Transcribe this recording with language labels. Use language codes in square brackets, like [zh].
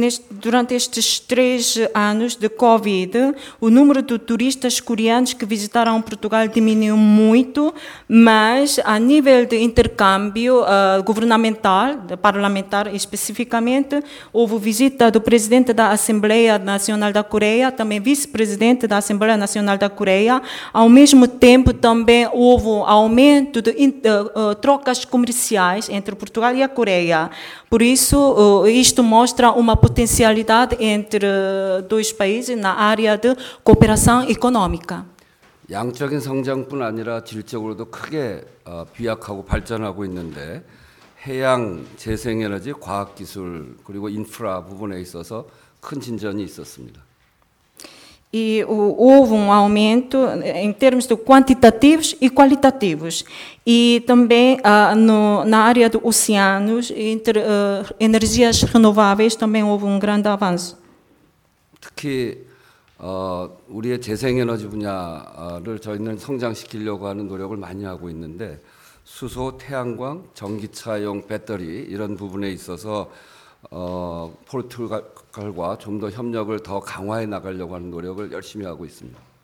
[pt] Durante estes três anos de Covid, o número de turistas coreanos que visitaram Portugal diminuiu muito, mas a nível de intercâmbio governamental, parlamentar especificamente, houve visita do presidente da Assembleia Nacional da Coreia, também vice-presidente da Assembleia Nacional da Coreia. Ao mesmo tempo, também houve aumento de trocas comerciais entre Portugal e a Coreia. Por isso, isto mostra uma potencialidade entre dois países na área de cooperação econômica. [ko] 양적인 성장뿐 아니라 질적으로도 크게 비약하고 발전하고 있는데 해양, 재생에너지, 과학기술 그리고 인프라 부분에 있어서 큰 진전이 있었습니다. [pt] E houve um aumento em termos de quantitativos e qualitativos. E também na área dos oceanos, entre energias renováveis, também houve um grande avanço. [ko] 특히 우리의 재생에너지 분야를 저희는 성장시키려고 하는 노력을 많이 하고 있는데 수소, 태양광, 전기차용 배터리 이런 부분에 있어서 포르투갈과 좀 더 협력을 더 강화해 나가려고 하는 노력을 열심히 하고 있습니다.